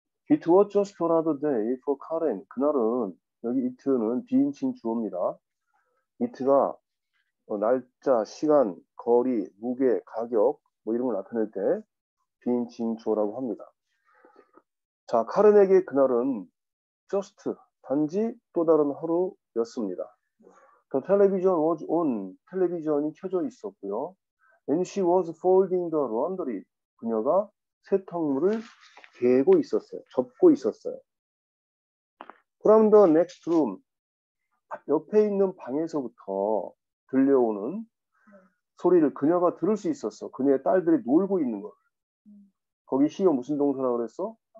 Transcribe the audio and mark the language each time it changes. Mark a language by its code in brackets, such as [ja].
[en] 'It was just another day for Karen.' [ko] 그날은 여기 it는 비인칭 주어입니다. it가 날짜, 시간, 거리, 무게, 가격 뭐 이런 걸 나타낼 때 비인칭 주어라고 합니다. 자, 카렌에게 그날은 just 단지 또 다른 하루였습니다. [en] The television was on. [ko] 텔레비전이 켜져 있었고요. [en] And she was folding the laundry. [ko] 그녀가 세탁물을 개고 있었어요. 접고 있었어요. [en] From the next room, [ko] 옆에 있는 방에서부터 들려오는 소리를 그녀가 들을 수 있었어. 그녀의 딸들이 놀고 있는 걸. 거기 히어 무슨 동사라고 그랬어?